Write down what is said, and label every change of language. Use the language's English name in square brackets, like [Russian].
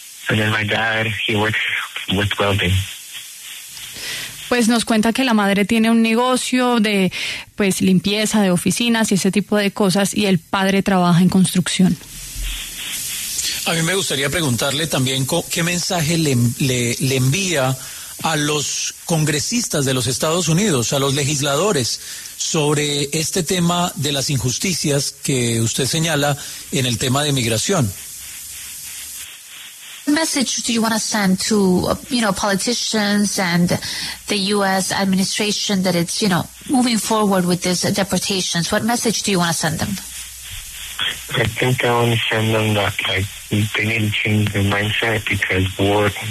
[English] And then my dad, he works with welding. [Spanish] Pues nos cuenta que la madre tiene un negocio de, pues, limpieza de oficinas y ese tipo de cosas, y el padre trabaja en construcción. A mí me gustaría preguntarle también qué mensaje le envía a los congresistas de los Estados Unidos, a los legisladores, sobre este tema de las injusticias que usted señala en el tema de migración. [English] What message do you want to send to, you know, politicians and the U.S. administration that it's, you know, moving forward with these deportations? What message do you want to send them? I think I want to send them that, like, they need to change their mindset because war.